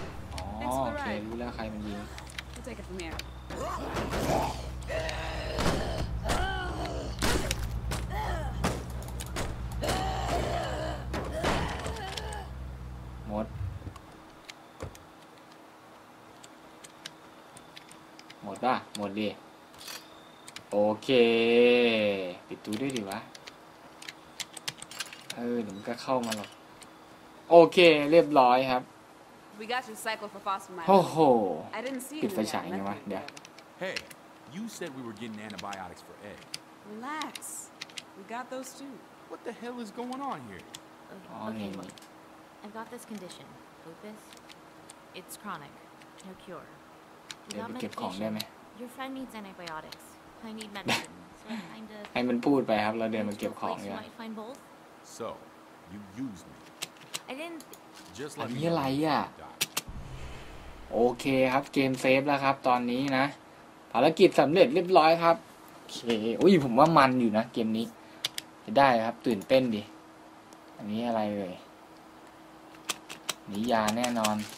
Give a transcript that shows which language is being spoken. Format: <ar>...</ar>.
<th>โอเครู้แล้วใครมันยิงหมดป่ะหมดดิโอเคปิดตู้ด้วยดิวะเดี๋ยวมันก็เข้ามาหรอกโอเคเรียบร้อยครับ</th> <en>We got your cycle for phosphamide.</en> <th>โอ้โห</th> <en>I didn't see</en> <th>ปิดไฟฉายไงวะเดี๋ยว</th> <en>Hey You said we were getting antibiotics for Ed. Relax. We got those too. What the hell is going on here? Okay, look. I've got this condition. Lupus. It's chronic. No cure. Without medication, your friend needs antibiotics. I need medicine.</en> <th>ให้มันพูดไปครับแล้วเดินมาเก็บของเนี่ย</th> <en>so you use me I didn't just let me</en> <th>อะไรอ่ะโอเคครับเกมเซฟแล้วครับตอนนี้นะภารกิจสำเร็จเรียบร้อยครับโอเคอุ้ยผมว่ามันอยู่นะเกมนี้จะได้ครับตื่นเต้นดิอันนี้อะไรเลยนิยาแน่นอน</th>